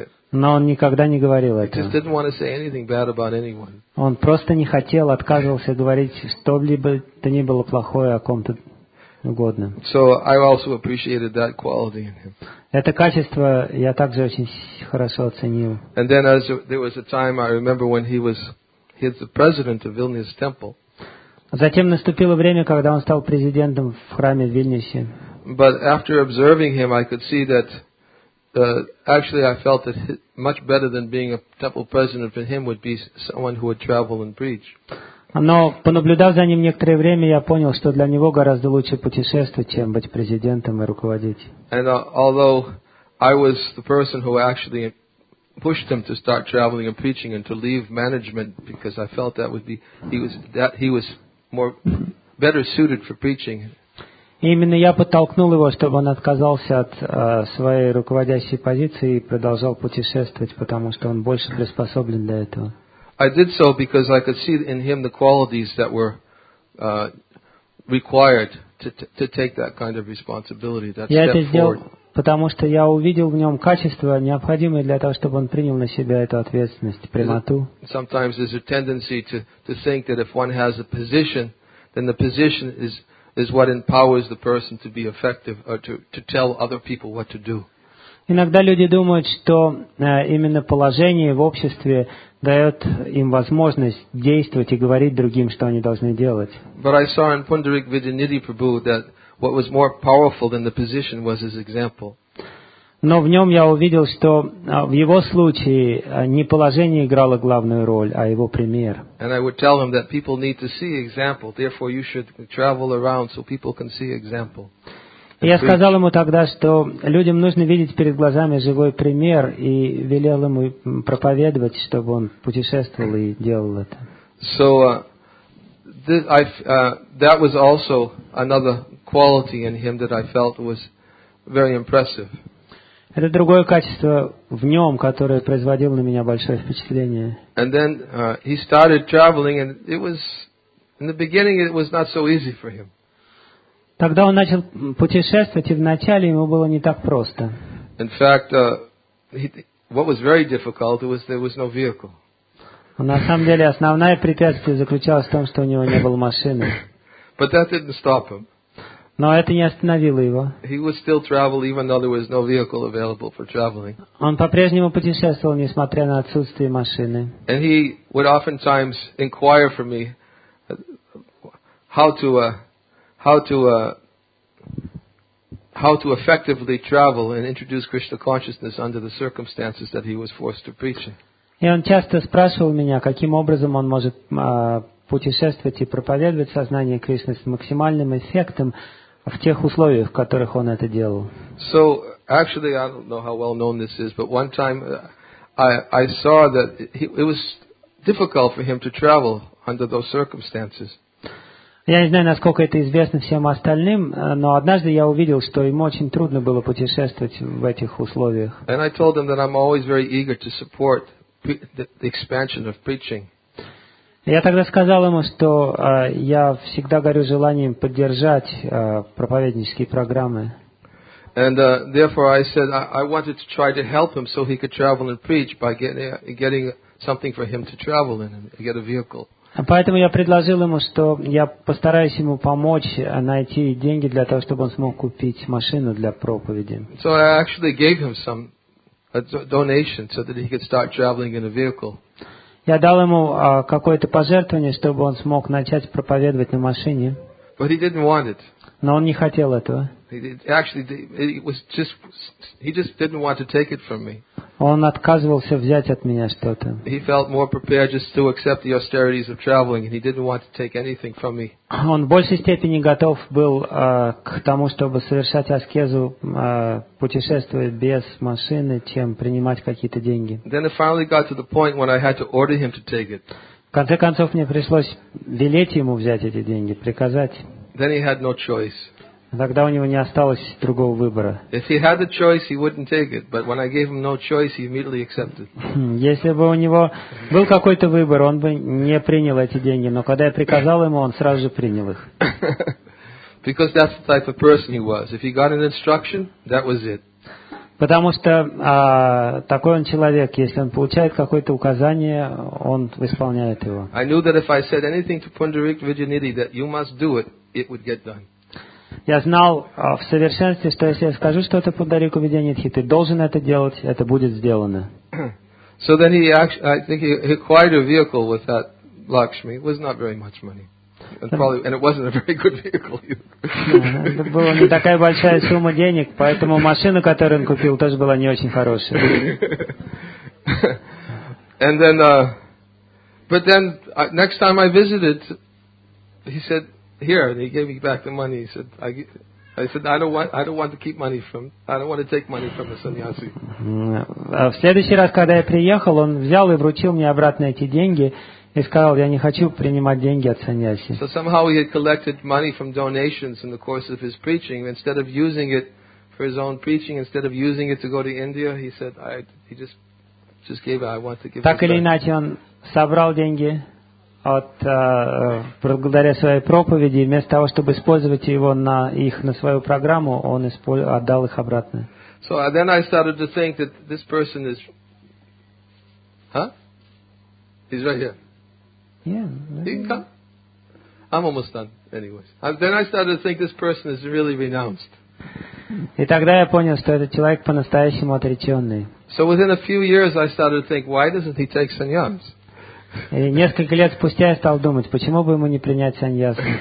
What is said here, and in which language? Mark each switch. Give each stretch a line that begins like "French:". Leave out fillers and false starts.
Russian: Но он никогда не говорил этого. Он просто не хотел, отказывался говорить что бы то ни было плохое о ком-то угодно.
English: So I also appreciated that quality in him.
Russian: Это качество я также очень хорошо оценил.
English: And then as there was a time, I remember when he was the president of Vilnius Temple.
Russian: Затем наступило время, когда он стал президентом в храме в Вильнюсе.
English: But after observing him, I could see that actually, I felt that much better than being a temple president for him would be someone who would travel and preach.
Russian: Но понаблюдав за ним некоторое время, я понял, что для него гораздо лучше путешествовать, чем быть президентом и руководить.
English: And although I was the person who actually pushed him to start traveling and preaching and to leave management, because I felt that would be he was more better suited for preaching.
Russian: И именно я подтолкнул его, чтобы он отказался от своей руководящей позиции и продолжал путешествовать, потому что он больше приспособлен для этого.
English: I did so because I could see in him the qualities that were required to take that kind of responsibility, that step forward.
Russian: Я это сделал, потому что я увидел в нем качества, необходимые для того, чтобы он принял на себя эту ответственность, прямоту.
English: Sometimes there's a tendency to think that if one has a position, then the position is what empowers the person to be effective or to tell other people what to do.
Russian: Иногда люди думают, что именно положение в обществе дает им возможность действовать и говорить другим, что они должны делать.
English: But I saw in Pundarik Vidyaniti Prabhu that what was more powerful than the position was his example.
Russian: Но в нем я увидел, что в его случае не положение играло главную роль, а его пример.
English: And I would tell him that people need to see example, therefore you should travel around so people can see example.
Russian: Я сказал ему тогда, что людям нужно видеть перед глазами живой пример, и велел ему проповедовать, чтобы он путешествовал и делал это.
English: So that was also another quality in him that I felt was very impressive.
Russian: Это другое качество в нем, которое производило на меня большое впечатление.
English: And then he started traveling, and it was in the beginning it was not so easy for him.
Russian: Тогда он начал путешествовать, и вначале ему было не так просто.
English: In fact, what was very difficult was there was no vehicle.
Russian: На самом деле основное препятствие заключалось в том, что у него не было машины.
English: But that didn't stop him.
Russian: Но это не остановило его.
English: He would still travel even though there was no vehicle available for traveling.
Russian: Он по-прежнему путешествовал, несмотря на отсутствие машины.
English: And he would oftentimes inquire for me how to how to effectively travel and introduce Krishna consciousness under the circumstances that he was forced to preach in.
Russian: И он часто спрашивал меня, каким образом он может путешествовать и проповедовать сознание Кришны с максимальным эффектом в тех условиях, в которых он это делал.
English: So, actually, I don't know how well known this is, but one time I saw that it was difficult for him to travel under those circumstances.
Russian: Я не знаю, насколько это известно всем остальным, но однажды я увидел, что ему очень трудно было путешествовать в этих условиях.
English: And I told him that I'm always very eager to support the expansion of preaching.
Russian: Я тогда сказал ему, что я всегда горю желанием поддержать проповеднические программы.
English: And therefore I said I wanted to try to help him so he could travel and preach by getting something for him to travel in and get a vehicle.
Russian: Поэтому я предложил ему, что я постараюсь ему помочь найти деньги для того, чтобы он смог купить машину для проповеди.
English: So I actually gave him some donation so that he could start traveling in a vehicle.
Russian: Я дал ему какое-то пожертвование, чтобы он смог начать проповедовать на машине.
English: But he didn't want it.
Russian: Но он не хотел этого.
English: He just didn't want to take it from me.
Russian: Он отказывался взять от меня что-то.
English: He felt more prepared just to accept the austerities of traveling, and he didn't want to take anything from me.
Russian: Он в большей степени готов был к тому, чтобы совершать аскезу, путешествуя без машины, чем принимать какие-то деньги.
English: Then it finally got to the point when I had to order him to take it.
Russian: В конце концов, мне пришлось велеть ему взять эти деньги, приказать.
English: Then he had no choice.
Russian: Тогда у него не осталось другого выбора.
English: If he had the choice, he wouldn't take it. But when I gave him no choice, he immediately accepted.
Russian: Если бы у него был какой-то выбор, он бы не принял эти деньги. Но когда я приказал ему, он сразу же принял их.
English: Because that's the type of person he was. If he got an instruction, that was it.
Russian: Потому что такой он человек. Если он получает какое-то указание, он исполняет его.
English: I knew that if I said anything to Pundarik Vidyanidhi, that you must do it, it would get done.
Russian: Я знал в совершенстве, что если я скажу что-то Пундарику Видьянидхи, ты должен это делать, это будет сделано.
English: So then he actually, I think he acquired a vehicle with that Lakshmi. It was not very much money. And it wasn't a very good vehicle.
Russian: Это была не такая большая сумма денег, поэтому машина, которую он купил, тоже была не очень хорошая.
English: And then, but then, next time I visited, he said, here, and he gave me back the money. He said, I don't want to take money from a sannyasi.
Russian: В следующий раз, когда я приехал, он взял и вручил мне обратно эти деньги и сказал, я не хочу принимать деньги от саньяси.
English: So somehow he had collected money from donations in the course of his preaching. Instead of using it for his own preaching, instead of using it to go to India, he said, he just gave it.
Russian: Так или иначе, он собрал деньги от благодаря своей проповеди, вместо того, чтобы использовать его на их на свою программу, он отдал их обратно.
English: So then I started to think that this person is, huh? He's right here. Yeah. He can come. I'm almost done. Anyways, then I started to think this person is really renounced.
Russian: И тогда я понял, что этот человек по-настоящему отреченный.
English: So within a few years, I started to think, why doesn't he take sannyas?
Russian: И несколько лет спустя я стал думать, почему бы ему не принять саньясу.